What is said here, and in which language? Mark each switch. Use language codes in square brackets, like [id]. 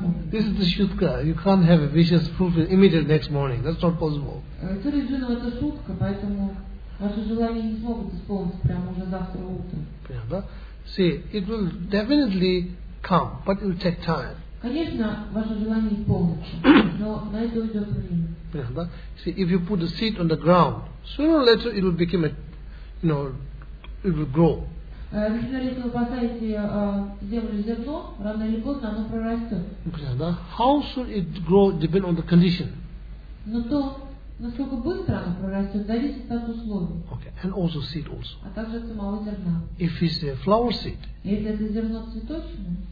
[en] This is the шутка. You can't have a wishes fulfilled immediately next morning. That's not possible. [ru] Это шутка, поэтому ваши желания не смогут исполниться прямо уже завтра утром. [en] See, it will definitely come, but it will take time. [ru] Конечно, ваше желание исполнится, но на это уйдет время. [en] Yeah, see, if you put a seed on the ground, sooner or later it will become a, you know, it will grow. [ru] Например, если вы поставите землю зерно, рано или поздно оно прорастет. [en] Yeah, how soon it grow depends on the condition. [ru] Но то, насколько быстро оно прорастет, зависит от условий. [en] Okay, and also seed also. [ru] А также от самого зерна. [en] If it's a flower seed. [ru] Если это зерно цветочное.